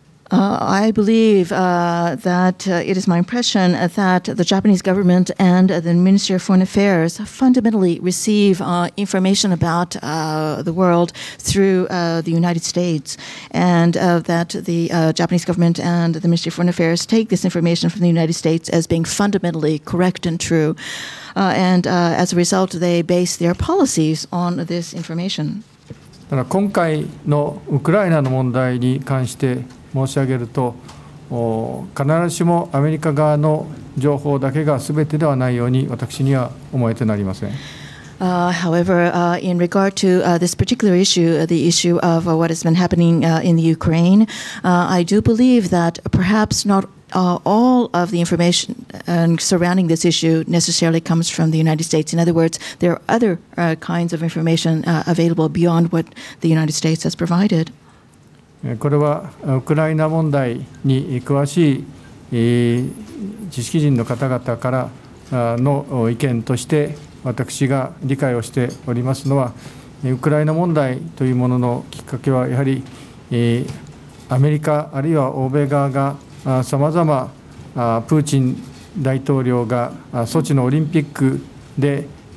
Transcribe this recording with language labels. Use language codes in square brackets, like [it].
[en] I believe that it is my impression that the Japanese government and the Ministry of Foreign Affairs fundamentally receive information about the world through the United States, and that the Japanese government and the Ministry of Foreign Affairs take this information from the United States as being fundamentally correct and true. And as a result, they base their policies on this information. [ja] だから今回のウクライナの問題に関して申し上げると、必ずしもアメリカ側の情報だけが全てではないように私には思えてなりません。 [en] However, in regard to this particular issue, the issue of what has been happening in the Ukraine, I do believe that perhaps not all of the information surrounding this issue necessarily comes from the United States. In other words, there are other kinds of information available beyond what the United States has provided. [ja] これはウクライナ問題に詳しい知識人の方々からの意見として私が理解をしておりますのは、ウクライナ問題というもののきっかけはやはりアメリカあるいは欧米側がさまざまプーチン大統領がソチのオリンピックで、